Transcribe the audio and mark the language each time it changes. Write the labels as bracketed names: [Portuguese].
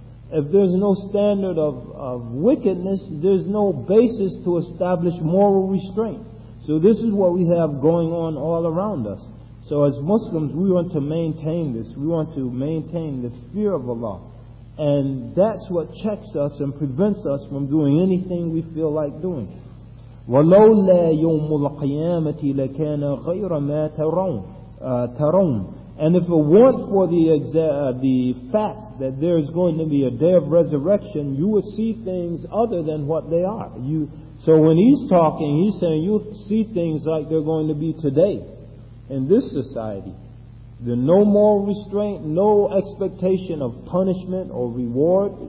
[English] If there's no standard of wickedness, there's no basis to establish moral restraint. So this is what we have going on all around us. So as Muslims, we want to maintain this. We want to maintain the fear of Allah. And that's what checks us and prevents us from doing anything we feel like doing. [Arabic] ولولا يوم القيامة لكان غير ما ترون. [English] And if it weren't for the fact that there is going to be a day of resurrection, you would see things other than what they are. You So when he's talking, he's saying you'll see things like they're going to be today in this society. There's no more restraint, no expectation of punishment or reward.